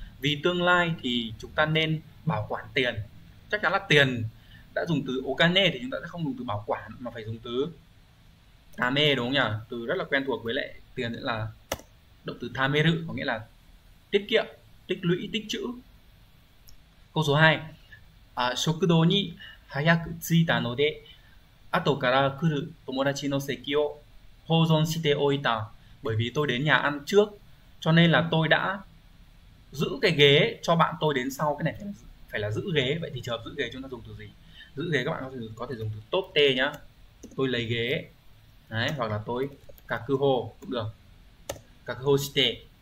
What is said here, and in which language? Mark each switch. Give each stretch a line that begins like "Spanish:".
Vietnamese: Vì tương lai thì chúng ta nên bảo quản tiền. Chắc chắn là tiền đã dùng từ okane thì chúng ta sẽ không dùng từ bảo quản mà phải dùng từ tame, đúng không nhỉ? Từ rất là quen thuộc, với lại tiền nữa là động từ tameru, có nghĩa là tiết kiệm, tích lũy, tích trữ. Câu số 2.
Japanese: Shokudo ni hayaku tsuita ので後から来る友達の席を保存しておいた。
Vietnamese: Bởi vì tôi đến nhà ăn trước cho nên là tôi đã giữ cái ghế cho bạn tôi đến sau. Cái này phải là giữ ghế. Vậy thì trường hợp giữ ghế chúng ta dùng từ gì? Giữ ghế các bạn có thể dùng từ tote nhá. Tôi lấy ghế. Đấy, hoặc là tôi kakuho cũng được. Kakuho shite.